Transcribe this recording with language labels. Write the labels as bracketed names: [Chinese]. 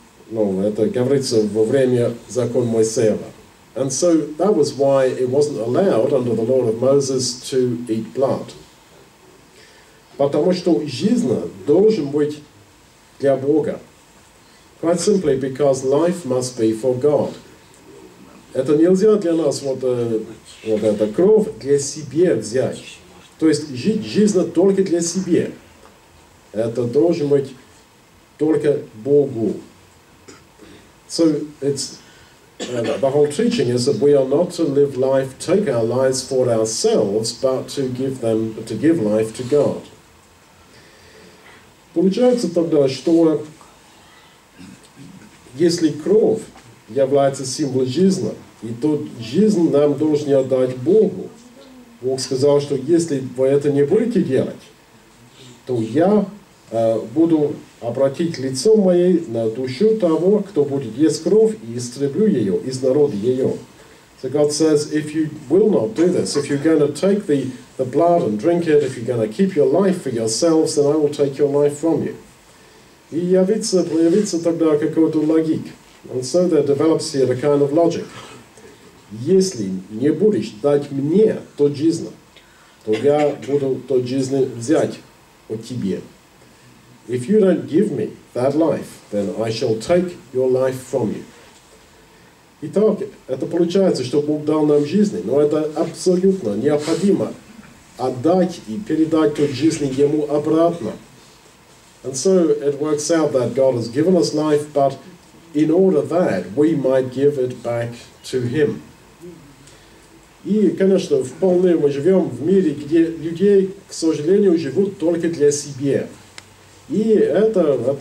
[Russian] Ну, это говорится во время закона Моисеева. [English] And so that was why it wasn't allowed under the law of Moses to eat blood. [Russian] Потому что жизнь должен быть для Бога. [English] Quite simply because life must be for God. [Russian] Это нельзя для нас, вот эта кровь для себя взять. То есть жить жизнь только для себя. Это должен быть только Богу. [English] So it's the whole teaching is that we are not to live life, take our lives for ourselves, but to give life to God. [Russian] Получается тогда, что если кровь является символом жизни, и тут жизнь нам должен отдать Богу. Бог сказал, что если вы это не будете делать, то я буду обратить лицо мое на душу того, кто будет есть кровь, и истреблю ее из народа ее. [English] So God says, if you will not do this, if you're going to take the blood and drink it, if you're going to keep your life for yourselves, then I will take your life from you. [Russian] И появится тогда какой-то логик. [English] And so there develops here a kind of logic. [Russian] Если не будешь дать мне то жизнь, то я буду то жизнь взять от тебя. [English] If you don't give me that life, then I shall take your life from you. [Russian] Итак, это получается, что Бог дал нам жизнь, но это абсолютно необходимо отдать и передать то жизнь ему обратно. [English] And so it works out that God has given us life, but in order that we might give it back to him. [Russian] И, конечно, вполне мы живем в мире, где людей, к сожалению, живут только для себя. И это,